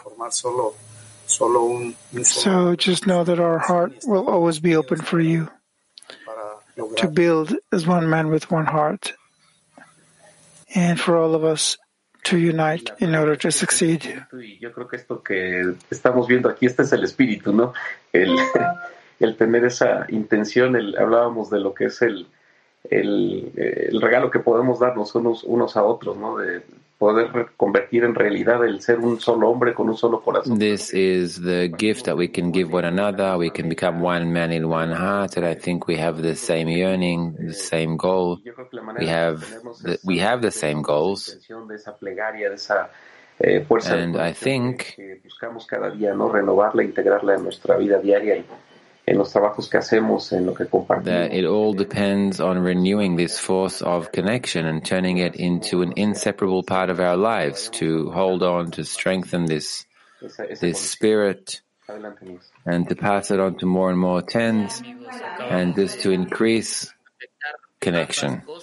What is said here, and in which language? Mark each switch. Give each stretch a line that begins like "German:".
English: So just know that our heart will always be open for you to build as one man with one heart and for all of us to unite in order to succeed.
Spanish: Yo creo que esto que estamos viendo aquí, este es el espíritu, ¿no? El tener esa intención, hablábamos de lo que es el regalo que podemos darnos unos a otros, ¿no? De poder convertir en realidad el ser un solo hombre con un solo corazón.
English: This is the gift that we can give one another. We can become one man in one heart, and I think we have the same yearning, the same goal. We have the same goals. And I think
Spanish: en los trabajos que hacemos, en lo que compartimos.
English: That it all depends on renewing this force of connection and turning it into an inseparable part of our lives, to hold on, to strengthen this spirit, and to pass it on to more and more tens, and just to increase connection.